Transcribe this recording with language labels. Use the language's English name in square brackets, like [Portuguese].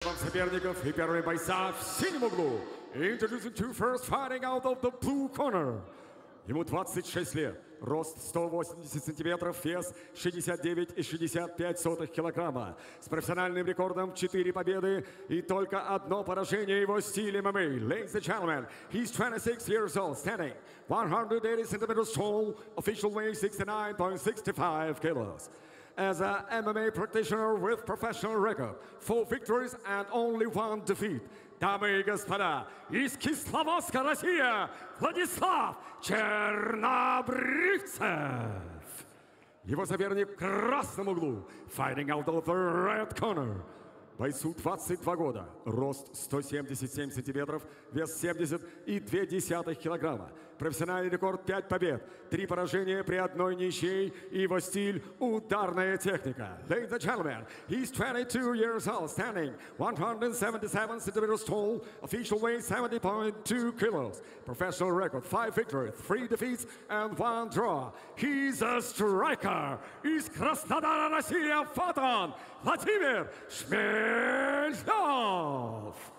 [Russian] соперников и первые бойца в синем углу. [English] Introducing to first fighting out of the blue corner. [Russian] Ему 26 лет, рост 180 сантиметров, вес 69,65 килограмма. С профессиональным рекордом 4 победы и только одно поражение его стиле ММА. [English] Ladies and gentlemen, he's 26 years old, standing 180 centimeters tall, official weight 69.65 kilos. As a MMA practitioner with professional record, 4 victories and only 1 defeat. [Russian] Дамы и господа, из Кисловодска, Россия, Владислав Чернобривцев. Его соперник в красном углу, [English] fighting out of the red corner. [Russian] Бойцу 22 года, рост 177 сантиметров, вес 70,2 килограмма. Профессиональный рекорд 5 побед, 3 поражения при одной ничьей, и его стиль – ударная техника. [English] Ladies and gentlemen, he's 22 years old, standing 177 centimeters tall, official weight 70.2 kilos, professional record 5 victories, 3 defeats and 1 draw. He's a striker! [Russian] Из Краснодара, Россия, вот он, Владимир Шмелев!